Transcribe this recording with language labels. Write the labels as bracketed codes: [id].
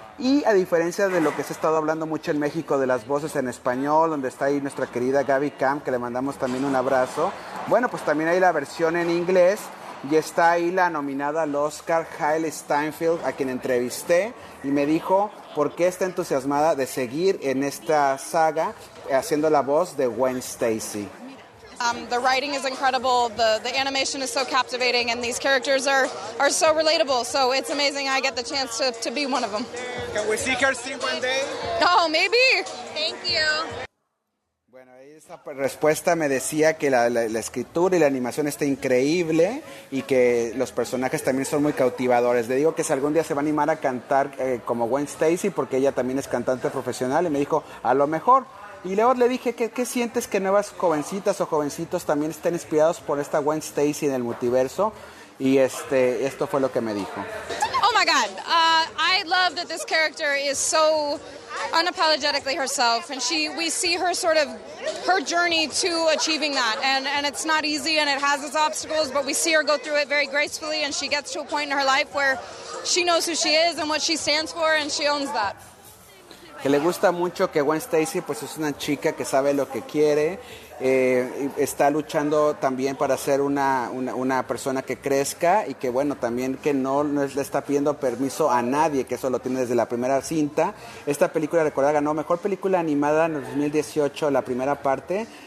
[es] Y a diferencia de lo que se ha estado hablando mucho en México de las voces en español, donde está ahí nuestra querida Gaby Camp, que le mandamos también un abrazo. Bueno, pues también hay la versión en inglés y está ahí la nominada al Oscar, Hailee Steinfeld, a quien entrevisté y me dijo por qué está entusiasmada de seguir en esta saga haciendo la voz de Gwen Stacy. [en] The writing is incredible, the animation is so captivating, and these characters are so relatable, so it's amazing I get the chance to be one of them. Can we see Kirsten one day? Oh, maybe. Thank you. [es] Bueno, ahí esa respuesta me decía que la escritura y la animación está increíble y que los personajes también son muy cautivadores. Le digo que si algún día se va a animar a cantar como Gwen Stacy, porque ella también es cantante profesional, y me dijo, a lo mejor. Y luego le dije, ¿qué sientes que nuevas jovencitas o jovencitos también estén inspirados por esta Gwen Stacy en el multiverso? Y esto fue lo que me dijo. [en] Oh my my God. I love that this character is so unapologetically herself, and we see her sort of her journey to achieving that, and it's not easy and it has its obstacles, but we see her go through it very gracefully, and she gets to a point in her life where she knows who she is and what she stands for, and she owns that. [es] Que le gusta mucho que Gwen Stacy pues es una chica que sabe lo que quiere, está luchando también para ser una persona que crezca y que bueno, también que no le está pidiendo permiso a nadie, que eso lo tiene desde la primera cinta. Esta película, recordar, ganó Mejor Película Animada en el 2018, la primera parte.